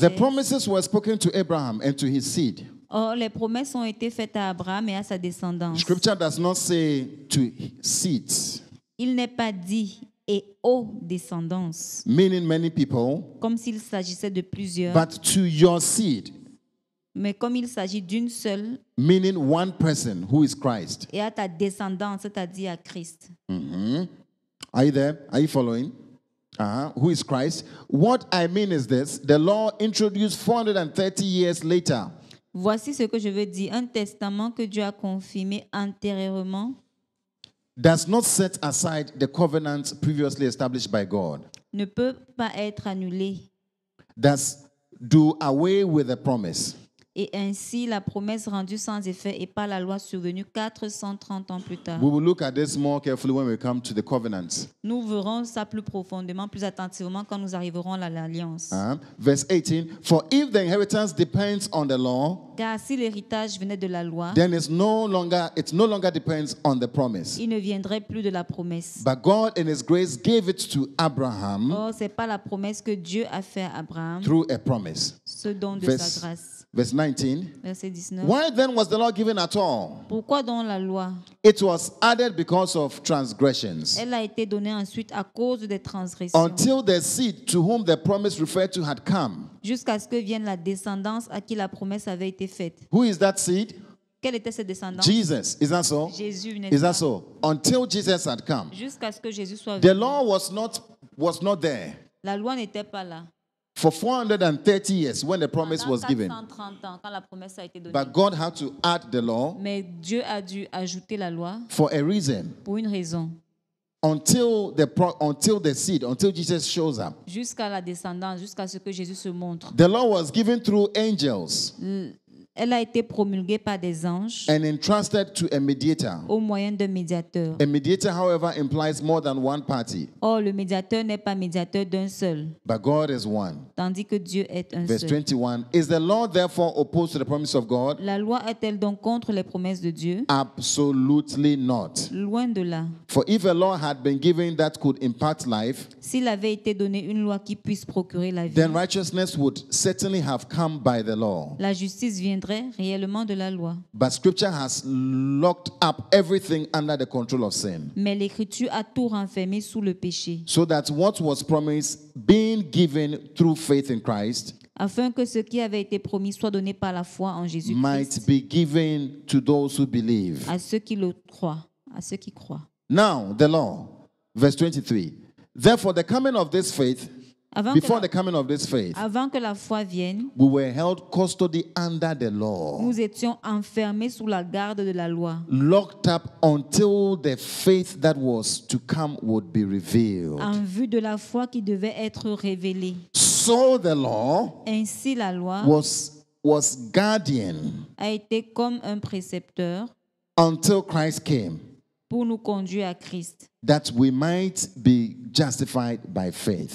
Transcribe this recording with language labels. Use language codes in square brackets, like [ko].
[en] The promises were spoken to Abraham and to his seed. [fr] Or, les promesses ont été faites à Abraham et à sa descendance. [en] Scripture does not say to seeds. [fr] Il n'est pas dit et aux descendances. [en] Meaning many people. [fr] Comme s'il s'agissait de plusieurs. [en] But to your seed. [fr] Mais comme il s'agit d'une seule. [en] Meaning one person who is Christ. [fr] Et à ta descendance, c'est-à-dire à Christ. [en] Mm-hmm. Are you there? Are you following? Who is Christ? What I mean is this. The law introduced 430 years later. [fr] Voici ce que je veux dire. Un testament que Dieu a confirmé antérieurement. [en] Does not set aside the covenant previously established by God. [fr] Ne peut pas être annulé. [en] Does do away with the promise. [fr] Et ainsi, la promesse rendue sans effet et par la loi survenue 430 ans plus tard. [en] We will look at this more carefully when we come to the covenant. [fr] Nous verrons ça plus profondément, plus attentivement quand nous arriverons à l'alliance. [en] Verse 18. For if the inheritance depends on the law, [fr] car si l'héritage venait de la loi, [en] then it no longer depends on the promise. [fr] Il ne viendrait plus de la promesse. [en] But God in his grace gave it to Abraham. [fr] Or, c'est pas la promesse que Dieu a fait à Abraham. [en] Through a promise. [fr] Ce don de sa grâce. [en] Verse 19. [fr] Verset 19. [en] Why then was the law given at all? [fr] Pourquoi donc la loi? [en] It was added because of transgressions. [fr] Elle a été donnée ensuite à cause des transgressions. [en] Until the seed to whom the promise referred to had come. [fr] Jusqu'à ce que vienne la descendance à qui la promesse avait été faite. [en] Who is that seed? [fr] Quelle était cette descendance? [en] Jesus. Is that so? [fr] Jésus. [en] Is that so? Until Jesus had come. [fr] Jusqu'à ce que Jésus soit [en] the [fr] venu. [en] Law was not there. [fr] La loi n'était pas là. [en] For 430 years when the promise was given. [fr] Ans, quand la promesse a été donnée. [en] But God had to add the law. [fr] Mais Dieu a dû ajouter la loi. [en] For a reason. [fr] Pour une raison. [en] Until Jesus shows up. [fr] Jusqu'à la descendance, jusqu'à ce que Jésus se montre. [en] The law was given through angels. [fr] elle a été promulguée par des anges. [en] And entrusted to a mediator. [fr] Au moyen d'un médiateur. [en] A mediator, however, implies more than one party. [fr] Or, le médiateur n'est pas médiateur d'un seul. [en] But God is one. [fr] Tandis que Dieu est un [en] Verse [fr] seul. [en] Verse 21. Is the law therefore opposed to the promise of God? [fr] La loi est-elle donc contre les promesses de Dieu? [en] Absolutely not. [fr] Loin de là. [en] For if a law had been given that could impart life, [fr] s'il avait été donné une loi qui puisse procurer la vie, [en] then righteousness would certainly have come by the law. [fr] La justice viendrait réellement de la loi. [en] But scripture has locked up everything under the control of sin. [fr] Mais l'écriture a tout renfermé sous le péché. [en] So that what was promised being given through faith in Christ, [fr] afin que ce qui avait été promis soit donné par la foi en Jésus-Christ, [en] might be given to those who believe. [fr] À ceux qui le croient, à ceux qui croient. [en] Now, the law, verse 23. Therefore, the coming of this faith, [fr] avant [en] before [fr] la, [en] the coming of this faith, [fr] avant que la foi vienne, [en] we were held custody under the law. [fr] Nous étions enfermés sous la garde de la loi. [en] Locked up until the faith that was to come would be revealed. [fr] En vue de la foi qui devait être révélée. [en] So the law, [fr] ainsi la loi, [en] was guardian, [fr] a été comme un précepteur, [en] until Christ came, [fr] pour nous conduire à Christ, [en] that we might be justified by faith,